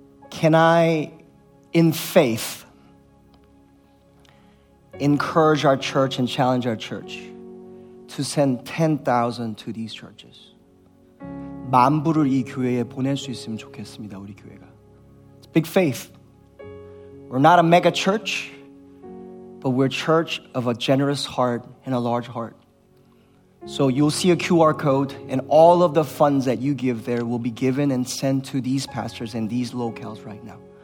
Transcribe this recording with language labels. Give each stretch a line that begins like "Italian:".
English: Can I, in faith, encourage our church and challenge our church to send 10,000 to these churches?
Korean: 만 불을 이 교회에 보낼 수 있으면 좋겠습니다, 우리 교회가.
English: It's big faith. We're not a mega church, but we're a church of a generous heart and a large heart. So you'll see a QR code, and all of the funds that you give there will be given and sent to these pastors and these locales right now.